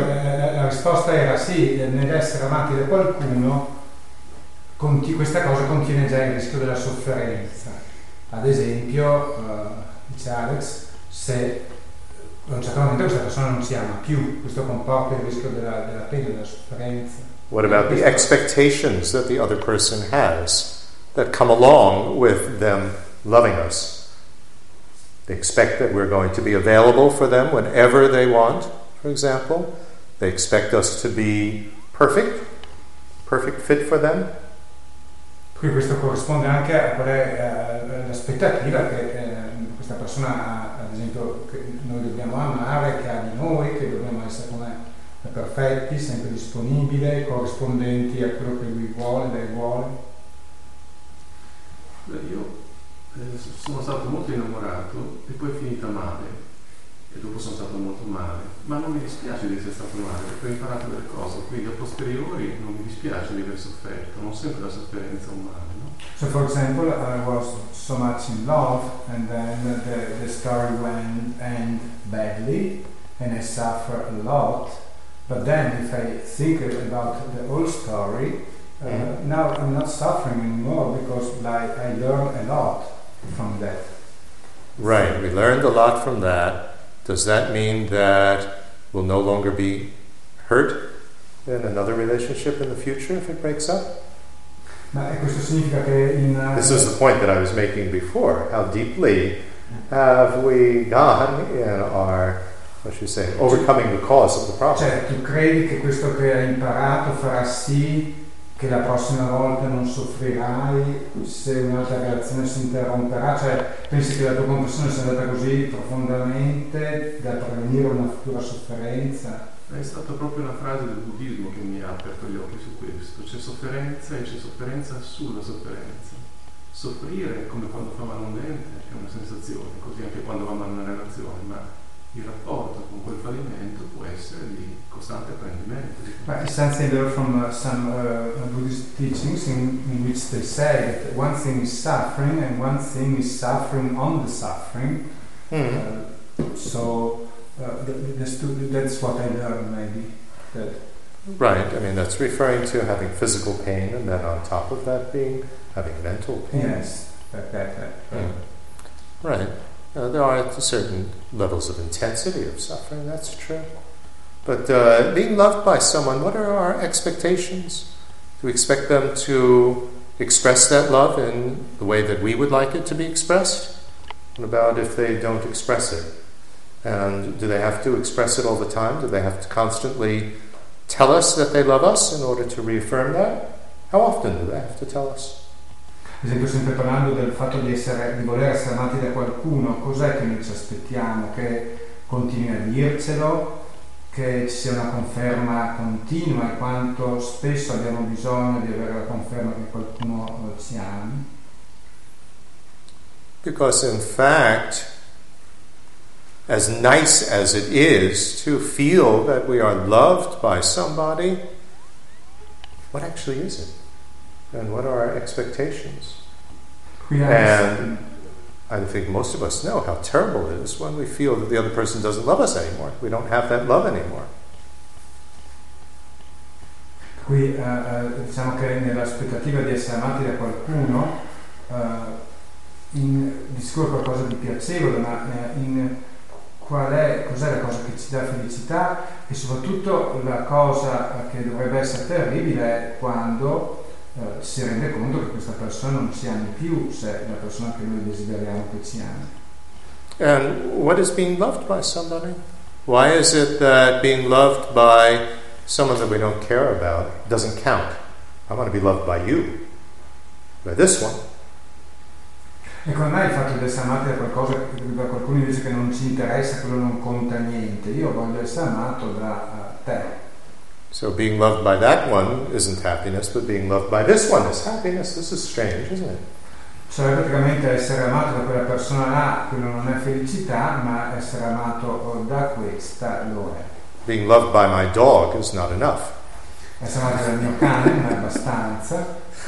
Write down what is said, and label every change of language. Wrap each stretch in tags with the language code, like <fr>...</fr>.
<it>La risposta era sì, nell'essere amati da qualcuno. Questa cosa contiene già il rischio della sofferenza. Ad esempio, dice Alex, se a un certo momento questa persona non si ama più, questo comporta il rischio della pena, della sofferenza.</it> <en>What about the expectations that the other person has that come along with them loving us? They expect that we're going to be available for them whenever they want, for example. They expect us to be perfect fit for them.</en> <it>Qui questo corrisponde anche a qual è l'aspettativa che questa persona ha, ad esempio, che noi dobbiamo amare, che ha di noi, che dobbiamo essere come perfetti, sempre disponibili, corrispondenti a quello che lui vuole, lei vuole. Io sono stato molto innamorato e poi è finita male, e dopo sono stato molto male, ma non mi dispiace di essere stato male perché ho imparato delle cose, quindi a posteriori non mi dispiace di aver sofferto, non sempre la sofferenza è un male, no?</it> <en>So for example, I was so much in love and then the story went end badly and I suffer a lot, but then if I think about the whole story, now I'm not suffering anymore because like I learned a lot from that. Right, we learned a lot from that. Does that mean that we'll no longer be hurt in another relationship in the future if it breaks up?</en> <it>Ma questo significa che in,</it> <en>this is the point that I was making before. How deeply have we gone in our, what should I say, overcoming the cause of the problem?</en> <it>Cioè, tu credi che questo che hai imparato farà sì che la prossima volta non soffrirai se un'altra relazione si interromperà? Cioè, pensi che la tua conversione sia andata così profondamente da prevenire una futura sofferenza? È stata proprio una frase del buddismo che mi ha aperto gli occhi su questo. C'è sofferenza e c'è sofferenza sulla sofferenza. soffrire come quando fa male un dente, è una sensazione, così anche quando va male una relazione, ma il rapporto con quel fallimento può essere di costante apprendimento.</it> <en>But essentially they're from some Buddhist teachings in which they say that one thing is suffering and one thing is suffering on the suffering. That's what I learned, maybe. That right, I mean, that's referring to having physical pain and then on top of that being having mental pain. Yes, that. Mm. Right. There are certain levels of intensity of suffering, that's true. But being loved by someone, what are our expectations? Do we expect them to express that love in the way that we would like it to be expressed? What about if they don't express it? And do they have to express it all the time? Do they have to constantly tell us that they love us in order to reaffirm that? How often do they have to tell us?</en> <it>Ad esempio, sempre parlando del fatto di voler essere amati da qualcuno, cos'è che noi ci aspettiamo? Che continui a dircelo, che ci sia una conferma continua, e quanto spesso abbiamo bisogno di avere la conferma che qualcuno ci ami?</it> <en>Because in fact, as nice as it is to feel that we are loved by somebody, what actually is it? And what are our expectations? Yes. And I think most of us know how terrible it is when we feel that the other person doesn't love us anymore. We don't have that love anymore.</en> <it>Qui diciamo che nell'aspettativa di essere amati da qualcuno, in discorso qualcosa di piacevole, ma in cos'è la cosa che ci dà felicità? E soprattutto la cosa che dovrebbe essere terribile è quando si rende conto che questa persona non ci ami più, se è la persona che noi desideriamo che ci ami.</it> <en>And what is being loved by somebody? Why is it that being loved by someone that we don't care about doesn't count? I want to be loved by you, by this one.</en> <it>E come mai il fatto di essere amati da qualcosa, da qualcuno invece che non ci interessa, quello non conta niente? Io voglio essere amato da te.</it> <en>So being loved by that one isn't happiness, but being loved by this one is happiness. This is strange, isn't it?</en> <it>Cioè praticamente essere amato da quella persona là, quello non è felicità, ma essere amato da questa lo è.</it> <en>Being loved by my dog is not enough.</en> <it>Essere amato dal mio cane non è abbastanza.</it>